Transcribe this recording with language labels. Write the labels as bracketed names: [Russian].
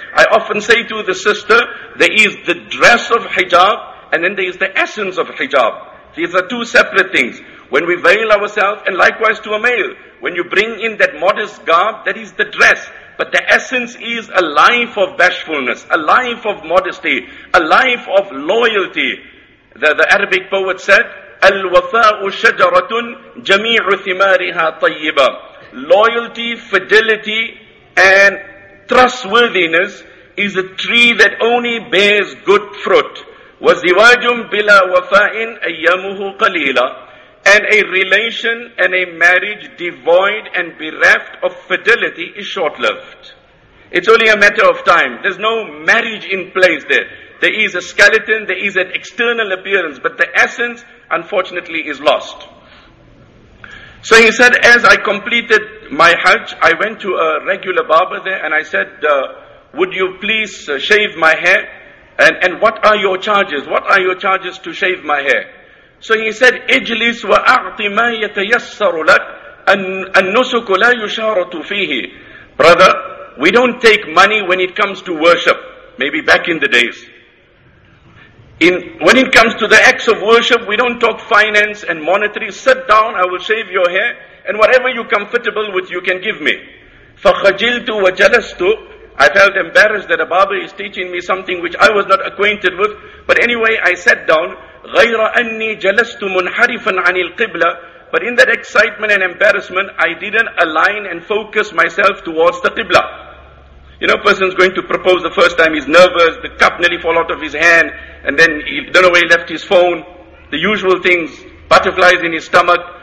[English] I often say to the sister, there is the dress of hijab and then there is the essence of hijab. These are two separate things. When we veil ourselves, and likewise to a male, when you bring in that modest garb, that is the dress. But the essence is a life of bashfulness, a life of modesty, a life of loyalty. The Arabic poet said, [Arabic] الْوَفَاءُ شَجَرَةٌ جَمِيعُ ثِمَارِهَا طَيِّبًا. [English] Loyalty, fidelity, and trustworthiness is a tree that only bears good fruit. [Arabic] وَزِوَاجٌ بِلَا وَفَاءٍ أَيَّامُهُ قَلِيلًا. [English] And a relation and a marriage devoid and bereft of fidelity is short-lived. It's only a matter of time. There's no marriage in place there. There is a skeleton, there is an external appearance, but the essence, unfortunately, is lost. So he said, as I completed my Hajj, I went to a regular barber there and I said, would you please shave my hair? And what are your charges? What are your charges to shave my hair? So he said, [Arabic] اجلس وأعطي ما يتيسر لك النسك لا يشارط فيه. [English] Brother, we don't take money when it comes to worship. Maybe back in the days. When it comes to the acts of worship, we don't talk finance and monetary. Sit down, I will shave your hair. And whatever you're comfortable with, you can give me. [Arabic] فخجلت وجلست. [English] I felt embarrassed that a barber is teaching me something which I was not acquainted with. But anyway, I sat down. [Arabic] غير أني جلست منحرفا عن القبلة. [English] But in that excitement and embarrassment, I didn't align and focus myself towards the Qibla. You know, a person's going to propose the first time, he's nervous, the cup nearly fall out of his hand, and then he don't know where he left his phone, the usual things, butterflies in his stomach.